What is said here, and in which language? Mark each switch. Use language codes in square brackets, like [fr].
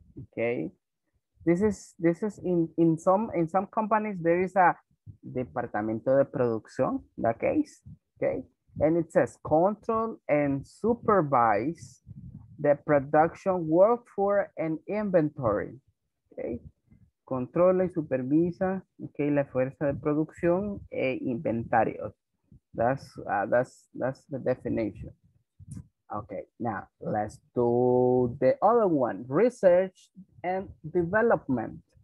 [en] Okay, this is in some companies there is a departamento de producción, that case, okay? And it says control and supervise the production, workforce, and inventory. Okay. [es] Controla y supervisa, okay, la fuerza de producción e inventario. [en] That's the definition. Okay, now let's do the other one, research and development.